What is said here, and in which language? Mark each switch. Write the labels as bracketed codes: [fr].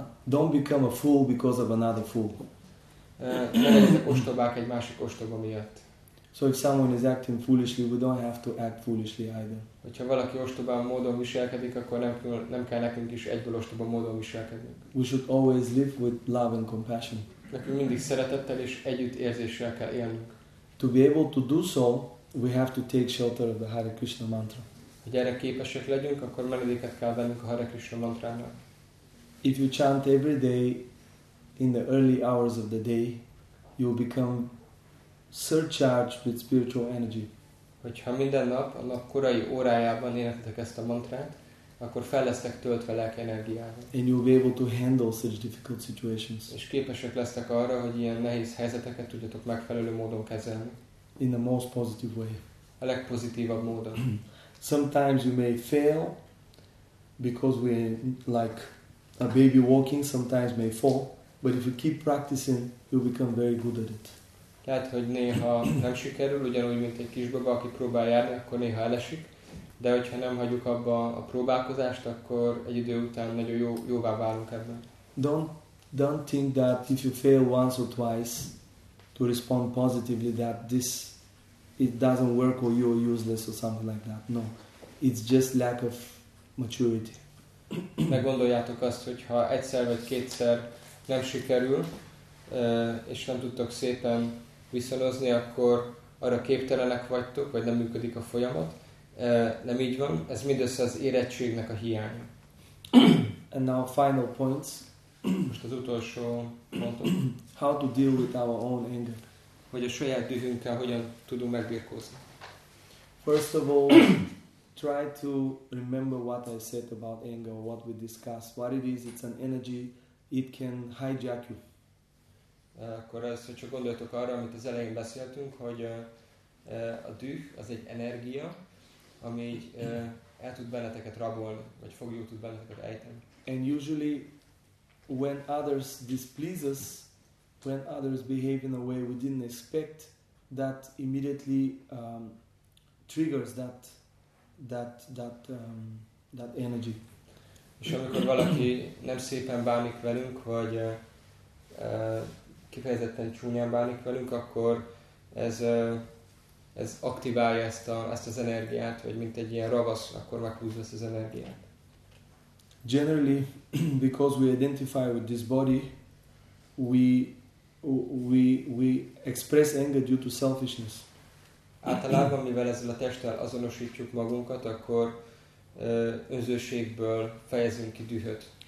[en] Don't become a fool because of another fool. [hu] Ne legyetek ostobák egy másik ostoba miatt. [en] So if someone is acting foolishly, we don't have to act foolishly either. [hu] Hogyha valaki ostobán módon viselkedik, akkor nem kell nekünk is egyből ostoba módon viselkednünk. [en] We should always live with love and compassion. [hu] Nekünk mindig szeretettel és együttérzéssel kell élnünk. [en] To be able to do so, we have to take shelter of the Hare Krishna mantra. [hu] Hogy erre képesek legyünk, akkor menedéket kell vennünk a Hare Krishna mantrának. [en] If you chant every day in the early hours of the day, you will become surcharged with spiritual energy. [hu] Hogyha minden nap, a nap korai órájában énekeltek ezt a mantrát, akkor fel lesztek töltve lelki energiával. [en] And you'll be able to handle such difficult situations. [hu] És képesek lesztek arra, hogy ilyen nehéz helyzeteket tudjatok megfelelő módon kezelni. [en] In the most positive way. [hu] A legpozitívabb módon. [en] Sometimes you may fail because we like a baby walking sometimes may fall, but if you keep practicing, you'll become very good at it. [hu] Lehet, hogy néha nem sikerül, ugyanúgy, mint egy kisbaba, aki próbál járni, akkor néha elesik, de hogyha nem hagyjuk abba a próbálkozást, akkor egy idő után nagyon jóvá válunk ebben. [en] Don't think that if you fail once or twice to respond positively that this it doesn't work or you're useless or something like that. No, it's just lack of maturity. [hu] Ne gondoljátok azt, hogy ha egyszer vagy kétszer nem sikerül, és nem tudtok szépen viszonozni, akkor arra képtelenek vagytok, vagy nem működik a folyamat. Nem így van. Ez mindössze az érettségnek a hiánya. [en] And now final points. [hu] Most az utolsó pontok. [en] How to deal with our own anger. [hu] Hogy a saját dühünkkel hogyan tudunk megbírkózni. [en] First of all, try to remember what I said about anger, what we discussed. What it is, it's an energy, it can hijack you. [hu] Akkor ezt, hogy csak gondoljatok arra, amit az elején beszéltünk, hogy a düh az egy energia, ami el tud benneteket rabolni, vagy fogjuk tud benneteket ejteni. [en] And usually, when others displease us, when others behave in a way we didn't expect, that immediately triggers that energy. [hu] És amikor valaki nem szépen bánik velünk, vagy kifejezetten csúnyán bánik velünk, akkor ez aktiválja ezt az energiát, vagy mint egy ilyen ravasz, akkor meghúzva ezt az energiát. [en] Generally, because we identify with this body, we express anger due to selfishness. [hu] Általában, mivel ezzel a testtel azonosítjuk magunkat, akkor önzőségből fejezünk ki dühöt.